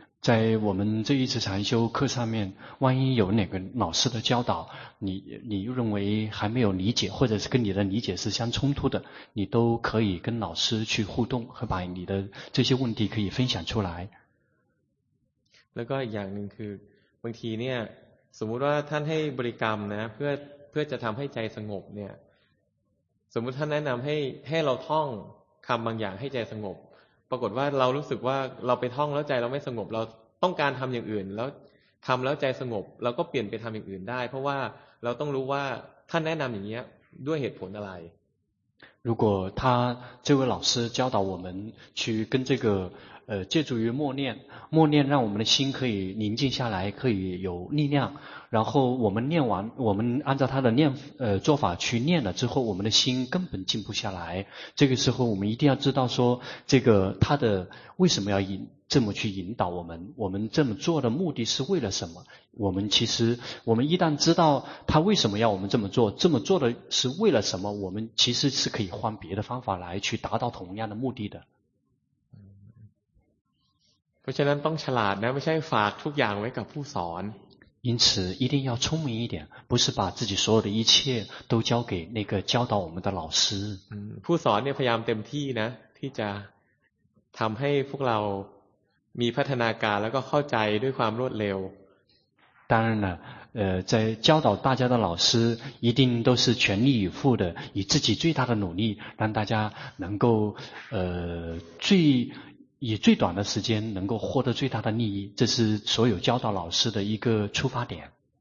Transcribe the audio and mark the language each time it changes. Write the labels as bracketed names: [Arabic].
[Chinese] 在我们这一次禅修课上面万一有哪个老师的教导你认为还没有理解或者是跟你的理解是相冲突的你都可以跟老师去互动和把你的这些问题可以分享出来 [Thai] แล้วก็อีกอย่างหนึ่งคือบางทีเนี่ยสมมุติว่าท่านให้บริกรรมนะเพื่อจะทำให้ใจสงบเนี่ยสมมุติท่านแนะนำให้เราท่องคำบางอย่างให้ใจสงบปรากฏว่าเรารู้สึกว่าเราไปท่องแล้วใจเราไม่สงบเราต้องการทำอย่างอื่นแล้ว ทำแล้วใจสงบเราก็เปลี่ยนไปทำอย่างอื่นได้เพราะว่าเราต้องรู้ว่าท่านแนะนำอย่างเงี้ยด้วยเหตุผลอะไร [Chinese] 如果他这位老师教导我们去跟这个借助于默念，默念让我们的心可以宁静下来，可以有力量。然后我们念完，我们按照他的念做法去念了之后，我们的心根本静不下来。这个时候我们一定要知道说，这个他的为什么要引这么去引导我们，我们这么做的目的是为了什么？我们其实我们一旦知道他为什么要我们这么做，这么做的是为了什么，我们其实是可以换别的方法来去达到同样的目的的。 [Thai] เพราะฉะนั้นต้องฉลาดนะไม่ใช่ฝากทุกอย่างไว้กับผู้สอน [Chinese] 因此一定要聪明一点不是把自己所有的一切都交给那个教导我们的老师 [Thai] ผู้สอนเนี่ยพยายามเต็มที่นะที่จะทำให้พวกเรามีพัฒนาการแล้วก็เข้าใจด้วยความรวดเร็ว [Chinese] 当然了在教导大家的老师一定都是全力以赴的以自己最大的努力让大家能够最以最短的时间能够获得最大的利益，这是所有教导老师的一个出发点。